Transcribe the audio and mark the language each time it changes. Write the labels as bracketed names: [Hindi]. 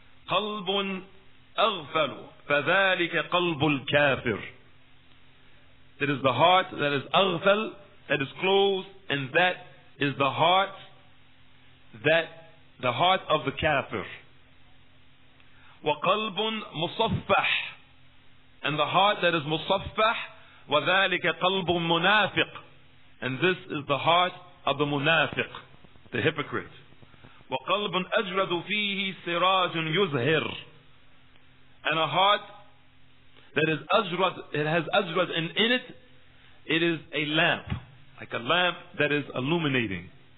[Arabic] Qalbun Aghfalu, Fadhalika Qalbul Kafir. [English] It is the heart that is Aghfal, that is closed, and that is the heart that the heart of the Kafir. [Arabic] وَقَلْبٌ مُصَفَّحٌ. [English] And the heart that is [Arabic] مُصَفَّحٌ وَذَلِكَ قَلْبٌ مُنَافِقٌ. [English] And this is the heart of the munafiq, the hypocrite. [Arabic] وَقَلْبٌ أَجْرَدُ فِيهِ سِرَاجٌ يُزْهِرٌ. [English] And a heart that is أجرد, it has أجرد in it, it is a lamp, like a lamp that is illuminating.